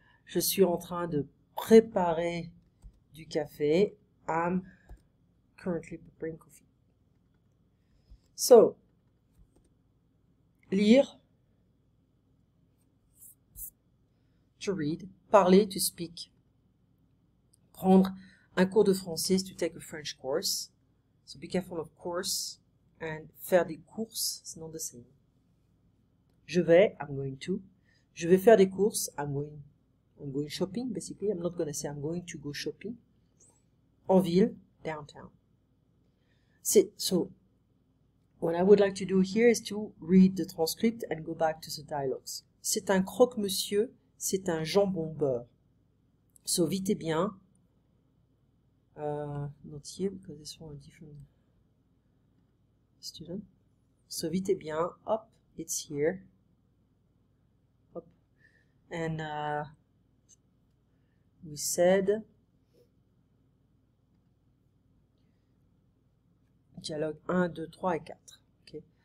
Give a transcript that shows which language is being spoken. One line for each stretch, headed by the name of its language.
French: Je suis en train de préparer du café.
English: I'm currently preparing coffee. So, lire, to read, parler, to speak,
French: prendre un cours de français,
English: to take a French course. So be careful of course and
French: faire des courses,
English: it's not the same.
French: Je vais,
English: I'm going to.
French: Je vais faire des courses,
English: I'm going shopping, basically. I'm not going to say I'm going to go shopping.
French: En ville,
English: downtown. So, what I would like to do here is to read the transcript and go back to the dialogues.
French: C'est un croque-monsieur, c'est un jambon-beurre. So, vite et bien.
English: Not here, because this one is different student. So,
French: vite et bien.
English: Hop, it's here. And, we said, dialogue 1, 2, 3 et 4. Okay.